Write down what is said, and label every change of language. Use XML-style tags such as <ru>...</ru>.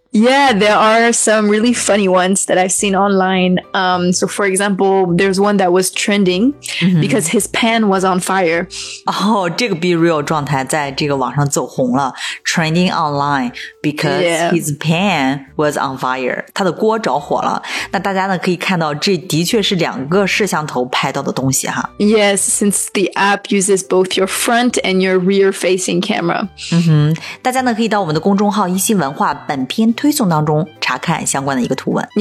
<en>Yeah, there are some really funny ones that I've seen online. So for example, there's one that was trending because his pen was on fire.</en> <zh>Oh, 这个 be real 状态在这个网上走红了。</zh> <en>Trending online because his pen was on fire.</en> <zh>他的锅着火了。那大家呢可以看到这的确是两个摄像头拍到的东西哈。</zh> <en>Yes, since the app uses both your front and your rear facing camera.</en> <zh>大家呢可以到我们的公众号一心文化本篇推送当中查看相关的一个图文。</zh>